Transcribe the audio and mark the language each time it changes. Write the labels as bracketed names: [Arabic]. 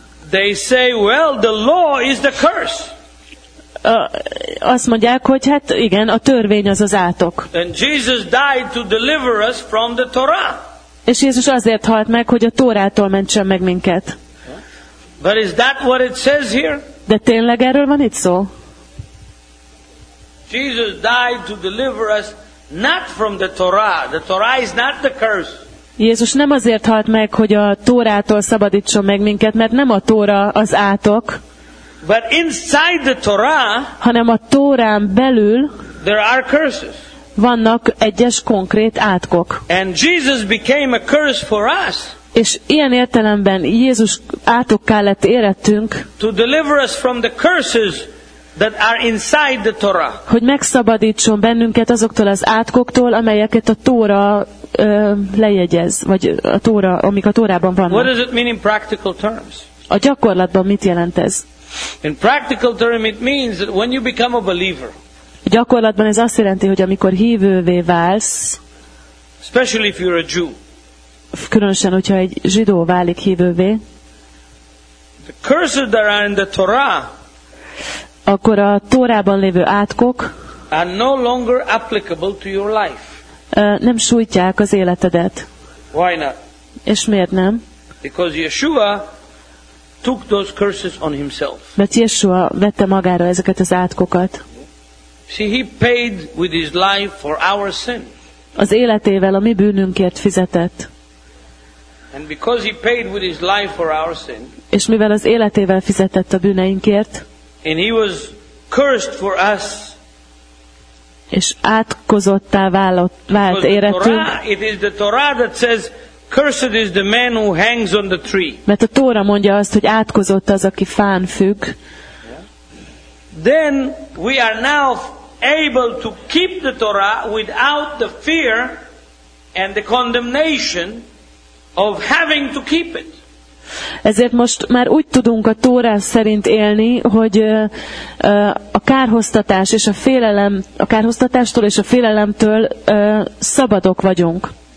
[English] they say, well, the law is the curse. [Hungarian] Azt mondják, hogy hát igen, a törvény az az átok. [English] And Jesus died to deliver us from the Torah. [Hungarian] És Jézus azért halt meg, hogy a Tórától mentsen meg minket. [English] But is that what it says here? [Hungarian] De tényleg erről van itt szó? [English] Jesus died to deliver us not from the Torah. The Torah is not the curse. [Hungarian] Jézus nem azért halt meg, hogy a Tórától szabadítson meg minket, mert nem a Tóra az átok. [English] But inside the Torah, [Hungarian] hanem a Tórán belül [English] there are curses. [Hungarian] Vannak egyes konkrét átkok. [English] And Jesus became a curse for us. [Hungarian] És ilyen értelemben Jézus átokká lett érettünk, [English] to deliver us from the curses that are inside the Torah. [Hungarian] Hogy megszabadítson bennünket azoktól az átkoktól, amelyeket a Tóra lejegyez, vagy a Tóra, amik a Tórában vannak. [English] What does it mean in practical terms? [Hungarian] A gyakorlatban mit jelent ez? [English] In practical terms it means that when you become a believer. [Hungarian] Gyakorlatban ez azt jelenti, hogy amikor hívővé válsz, [English] especially if you're a Jew. [Hungarian] Különösen, hogyha egy zsidó válik hívővé, [English] the curses that are in the Torah, [Hungarian] akkor a Tórában lévő átkok [English] are no longer applicable to your life. [Hungarian] Nem sújtják az életedet. [English] Why not? [Hungarian] És miért nem? [English] Because Yeshua took those curses on himself. [Hungarian] Mert Yeshua vette magára ezeket az átkokat. [English] See, he paid with his life for our sin. [Hungarian] Az életével a mi bűnünkért fizetett. [English] And because he paid with his life for our sin, [Hungarian] és mivel az életével fizetett a bűneinkért, [English] and he was cursed for us, [Hungarian] és átkozottá vált érettünk, [English] it is the Torah that says, cursed is the man who hangs on the tree. [Hungarian] Mert a Tóra mondja azt, hogy átkozott az, aki fán függ. [English] Then we are now able to keep the Torah without the fear and the condemnation of having to keep it. [Hungarian] Ezért most már úgy tudunk a Tóra szerint élni, hogy a kárhoztatás és a félelem, a kárhoztatástól és a félelemtől szabadok vagyunk.